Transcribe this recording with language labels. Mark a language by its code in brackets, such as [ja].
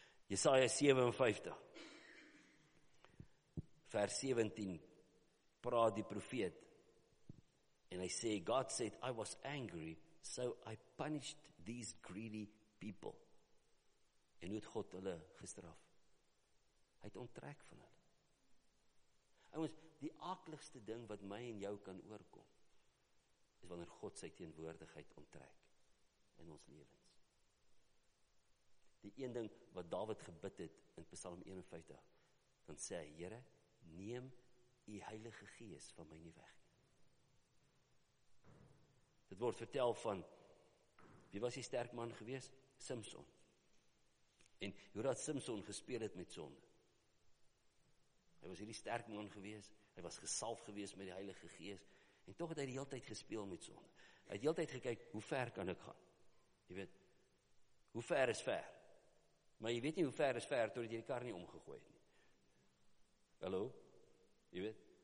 [af] Jesaja 57 vers 17 praat die profeet en hy sê, [en] God said, I was angry, so I punished these greedy people. [af] En hoe het God hulle gestraf? Hy het onttrek van hulle. Ouens, die akeligste ding wat my en jou kan oorkom, is wanneer God sy teenwoordigheid onttrek in ons lewens. Die een ding wat Dawid gebid het in Psalm 51, dan sê hy, Here, neem u Heilige Gees van my nie weg. Dit word vertel van, wie was die sterk man gewees? Samson. En hoe dat Samson gespeel het met sonde. Hy was hierdie sterk man gewees, hy was gesalf gewees met die Heilige Gees, en toch het hy die hele tyd gespeel met sonde. Hy het die hele tyd gekyk, hoe ver kan ek gaan? Jy weet, hoe ver is ver? Maar jy weet nie hoe ver is ver, totdat jy die kar nie omgegooi het nie. Hallo? Jy weet?